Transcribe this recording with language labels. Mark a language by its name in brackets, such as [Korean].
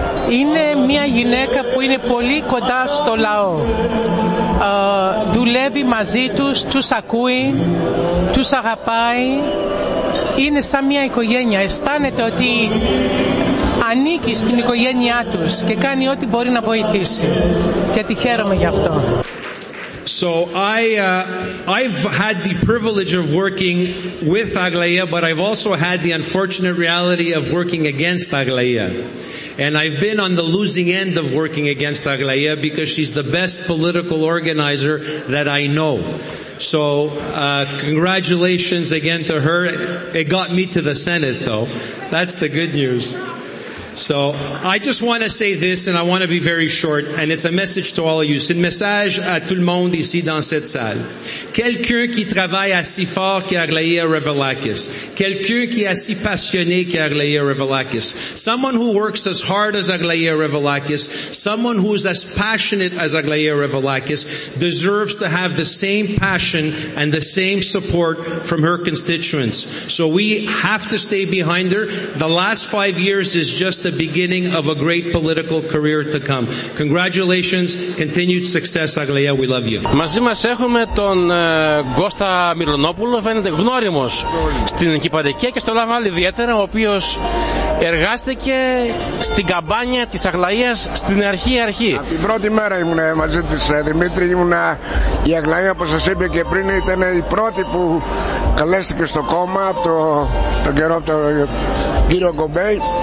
[Greek] Είναι μια γυναίκα που είναι πολύ κοντά στο λαό. Δουλεύει μαζί τους, τους ακούει, τους αγαπάει. Είναι σαν μια οικογένεια. Αισθάνεται ότι ανήκει στην οικογένειά τους και κάνει ό,τι μπορεί να βοηθήσει. Και τη χαίρομαι γι' αυτό. [English] So I've had the privilege of working with Aglaia, but I've also had the unfortunate reality of working against Aglaia. And I've been on the losing end of working against Aglaia because she's the best political organizer that I know. So congratulations again to her. It got me to the Senate, though. That's the good news. So I just want to say this, and I want to be very short, and it's a message to all of you. [French] C'est un message à tout le monde ici dans cette salle. Quelqu'un qui travaille aussi fort qu'Aglaia Revelakis. Quelqu'un qui est aussi passionné qu'Aglaia Revelakis. [English] Someone who works as hard as Aglaia Revelakis, someone who is as passionate as Aglaia Revelakis, deserves to have the same passion and the same support from her constituents. So we have to stay behind her. The last 5 years is just the beginning of a great political career to come. Congratulations, continued success, Aglaia, we love you. [Greek] Μαζί μας έχουμε τον Κώστα Μιλωνόπουλο, φαίνεται γνώριμος στην Κυπαρικία και στο Λαβάλ ιδιαίτερα, ο οποίος εργάστηκε στην καμπάνια της Αγλαίας στην αρχή. Από την πρώτη μέρα ήμουν μαζί της, Δημήτρη, η Αγλαία, όπως σας είπε και πριν, ήταν η πρώτη που καλέστηκε στο κόμμα τον καιρό του κύριο Κομπέι.